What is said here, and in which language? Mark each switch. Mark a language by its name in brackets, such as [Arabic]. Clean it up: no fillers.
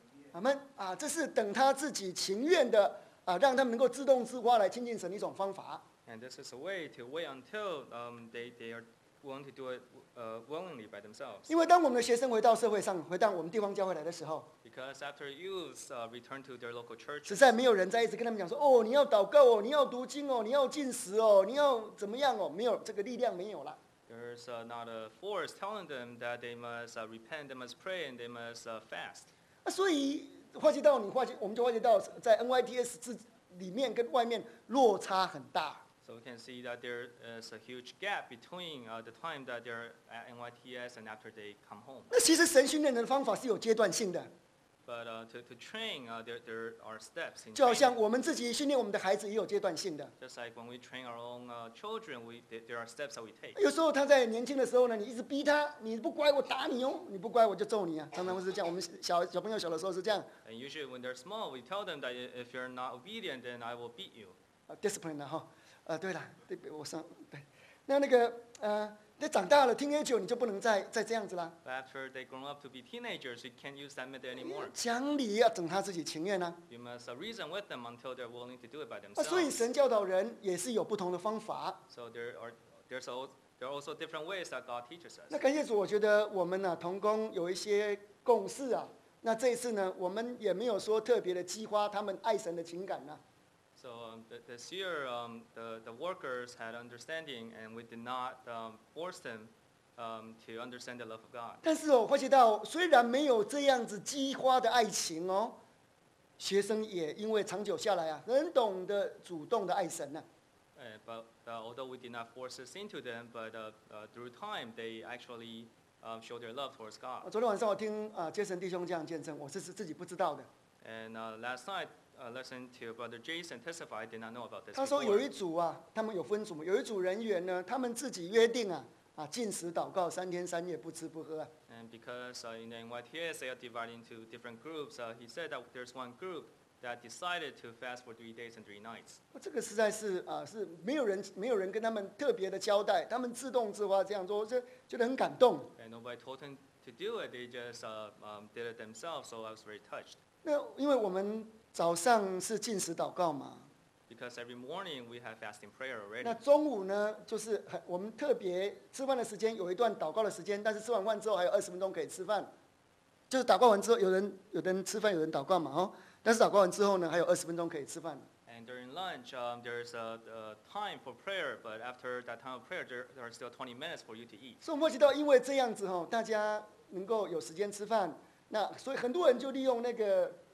[Chinese] 阿们啊，这是等他自己情愿的啊，让他们能够自动自发来亲近神的一种方法。 [English] And this is a way to wait until they are willing to do it willingly by themselves. [Chinese] 因为当我们的学生回到社会上，回到我们地方教会来的时候 [English] ，Because after youths return to their local church, [Chinese] 实在没有人在一直跟他们讲说，哦，你要祷告哦，你要读经哦，你要进食哦，你要怎么样哦，没有这个力量没有了。 [English] There's not a force telling them that they must repent, they must pray, and they must fast. [Chinese] 所以发觉到我们就发觉到在 NYTS 里面跟外面落差很大。 [English] So we can see that there is a huge gap between the time that they're at NYTS and after they come home. [Chinese] 那其实神训练的方法是有阶段性的。 [English] But to train, there are steps. [Chinese] 就好像我们自己训练我们的孩子也有阶段性的。 [English] Just like when we train our own children, there are steps that we take. [Chinese] 有时候他在年轻的时候呢，你一直逼他，你不乖我打你哦，你不乖我就揍你啊，常常会是这样。我们小朋友小的时候是这样。 [English] And usually when they're small, we tell them that if you're not obedient, then I will beat you. [Chinese] Discipline 了哈。对了，对，我上对，那个，你长大了 ，teenager， 你就不能再这样子了。 [English] But after they grown up to be teenagers, you can't use that method anymore. [Chinese] 讲理要等他自己情愿呢。 [English] You must reason with them until they're willing to do it by themselves. [Chinese] 所以神教导人也是有不同的方法。 [English] So there are also different ways that God teaches us. [Chinese] 那感谢主，我觉得我们呢、同工有一些共识啊。那这一次呢，我们也没有说特别的激发他们爱神的情感呢、 [English] So this year, the workers had understanding, and we did not force them to understand the love of God. [Chinese] 但是哦，发觉到虽然没有这样子激发的爱情哦，学生也因为长久下来啊，能懂得主动的爱神呢、啊。 [English] But although we did not force this into them, but through time, they actually show their love towards God. [Chinese] 昨天晚上我听Jason弟兄这样见证，我是自己不知道的。 [English] And last night. Listen to Brother Jason testify. I did not know about this. [Chinese] 他说有一组啊，他们有分组嘛。有一组人员呢，他们自己约定啊，禁食祷告三天三夜不吃不喝、啊。 [English] And because in the NYTS they are divided into different groups, he said that there's one group that decided to fast for 3 days and 3 nights. [Chinese] 这个实在是是没有人跟他们特别的交代，他们自动自发这样做，就觉得很感动。 [English] And nobody told them to do it. They just did it themselves. So I was very touched. [Chinese] 那因为我们早上是禁食祷告嘛 [English] ？Because every morning we have fasting prayer already. [Chinese] 那中午呢，就是我们特别吃饭的时间有一段祷告的时间，但是吃完饭之后还有20分钟可以吃饭，就是祷告完之后有人吃饭，有人祷告嘛，哦，但是祷告完之后呢，还有20分钟可以吃饭。 [English] And during lunch, there's a time for prayer, but after that time of prayer, there are still 20 minutes for you to eat. [Chinese] 所以我知道，因为这样子哦，大家能够有时间吃饭，那所以很多人就利用那个。